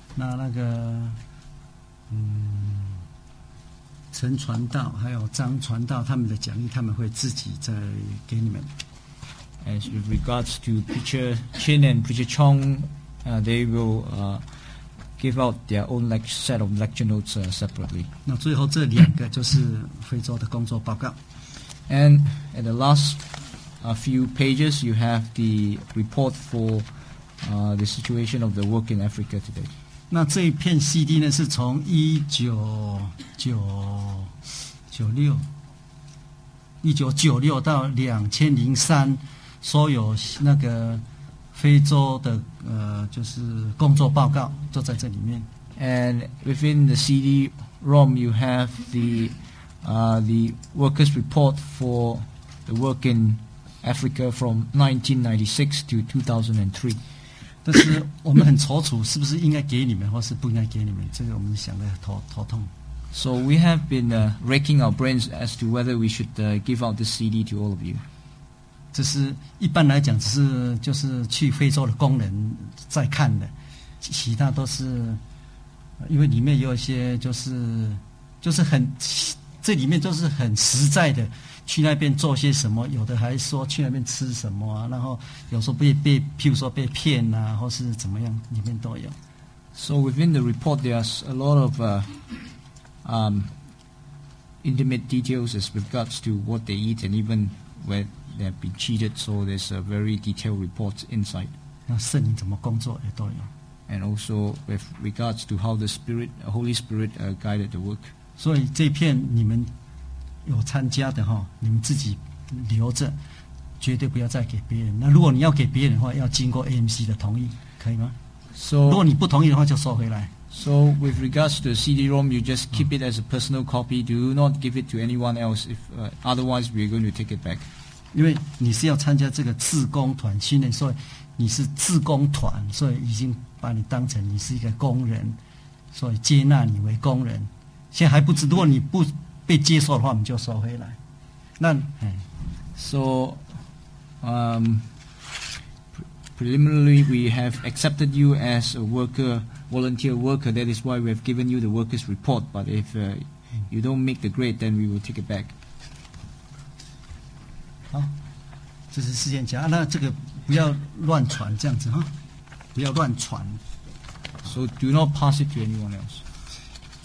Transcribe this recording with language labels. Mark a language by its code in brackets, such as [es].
[zh] 那个，陈传道还有张传道他们的讲义，他们会自己再给你们。 [en] As with regards to Preacher Chin and Preacher Chong, they will give out their own set of lecture notes separately. [zh] 那最后这两个就是非洲的工作报告。 [en] And at the last few pages, you have the report for the situation of the work in Africa today. [zh] 那这一片 CD 呢，是从1996到2003。所有那个非洲的就是工作报告都在这里面。 [en] And within the CD-ROM, you have the workers' report for the work in Africa from 1996 to 2003. [zh] 但是我们很踌躇，是不是应该给你们，或是不应该给你们？这个我们想的头痛。 [en] So we have been racking our brains as to whether we should give out this CD to all of you. [zh] 这是一般来讲，只是就是去非洲的工人在看的，其他都是因为里面有一些就是很这里面就是很实在的，去那边做些什么，有的还说去那边吃什么啊，然后有时候被譬如说被骗啊，或是怎么样，里面都有。 [en] So within the report, there's a lot of intimate details as regards to what they eat and even whereThey have been cheated, so there's a very detailed report inside. [zh] 那圣灵怎么工作也都有。 [en] And also with regards to how the Spirit, Holy Spirit, guided the work. [zh] 所以这片你们有参加的哈，你们自己留着，绝对不要再给别人。那如果你要给别人的话，要经过 AMC 的同意，可以吗？ [en] So, [zh] 如果你不同意的话，就收回来。 [en] So with regards to CD-ROM, you just keep it as a personal copy. Do not give it to anyone else. If otherwise, we're going to take it back. [zh] 因为你是要参加这个志工团训练，所以你是志工团，所以已经把你当成你是一个工人，所以接纳你为工人。现在还不知，如果你不被接受的话，我们就收回来。那， [en] So, preliminarily, we have accepted you as a worker. Volunteer worker, that is why we have given you the worker's report. But if you don't make the grade, then we will take it back. [zh] 好，这是事件夹。那这个不要乱传，这样子哈，不要乱传。 [en] So do not pass it to anyone else.